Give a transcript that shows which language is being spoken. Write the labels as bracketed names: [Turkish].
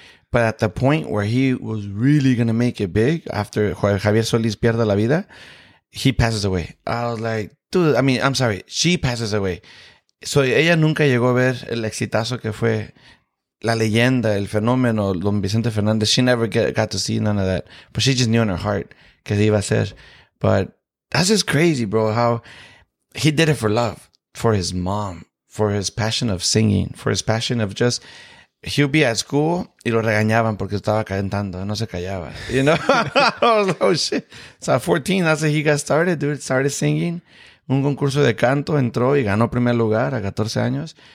[English] But at the point where he was really going to make it big, after Javier Solís [Spanish] pierde la vida, [English] he passes away. I was like, dude, I mean, I'm sorry. She passes away. [Spanish] So, ella nunca llegó a ver el exitazo que fue la leyenda, el fenómeno, Don Vicente Fernández. [English] She never got to see none of that. But she just knew in her heart [Spanish] que iba a ser. [English] But that's just crazy, bro, how he did it for love, for his mom, for his passion of singing, for his passion of just... He would be at school [Spanish] y lo regañaban porque estaba cantando. No se callaba. [English] You know? I was like, oh, shit. So, at 14, that's how he got started, dude. Started singing. [Spanish] Un concurso de canto, entró y ganó primer lugar a 14 años.